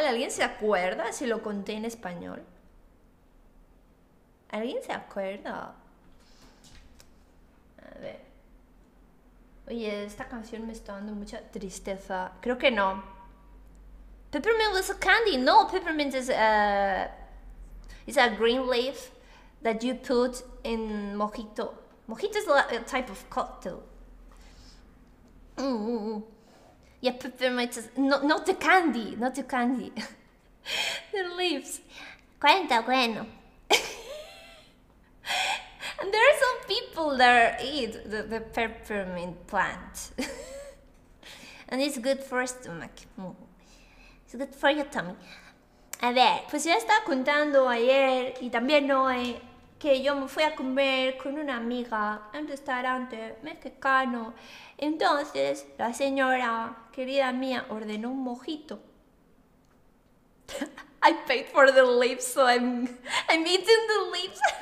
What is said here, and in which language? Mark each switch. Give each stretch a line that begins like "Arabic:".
Spanish: ¿Alguien se acuerda si lo conté en español? ¿Alguien se acuerda? Oye, esta canción me está dando mucha tristeza. Creo que no.
English: Peppermint was a candy. No, peppermint is a green leaf that you put in mojito. Mojito is a type of cocktail. Yeah, peppermint is not the candy. Not the candy. The leaves.
Spanish: Cuenta, bueno.
English: And there are some people that eat the peppermint plant. And it's good for stomach. It's good for your tummy.
Spanish: A ver, pues yo estaba contando ayer y también hoy que yo me fui a comer con una amiga en un restaurante mexicano. Entonces, la señora querida mía ordenó un mojito.
English: I paid for the leaves, so I'm eating the leaves.